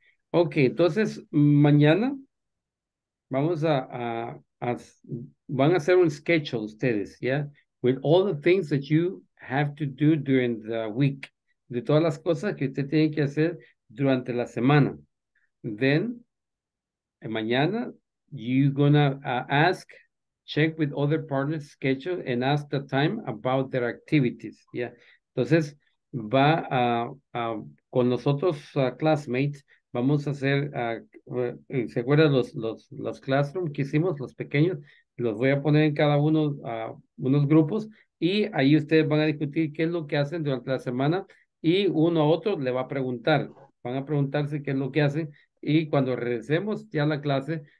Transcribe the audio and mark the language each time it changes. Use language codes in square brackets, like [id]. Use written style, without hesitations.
[es] Ok, entonces mañana vamos a van a hacer un schedule ustedes, ¿ya? [en] With all the things that you have to do during the week. [es] De todas las cosas que usted tiene que hacer durante la semana. [en] Then, mañana, you're gonna ask, check with other partners' schedule and ask the time about their activities. Yeah. [es] Entonces, va con nosotros classmates, vamos a hacer, ¿se acuerdan los classrooms que hicimos, los pequeños? Los voy a poner en cada uno, unos grupos, y ahí ustedes van a discutir qué es lo que hacen durante la semana, y uno a otro le va a preguntar, van a preguntarse qué es lo que hacen, y cuando regresemos ya a la clase,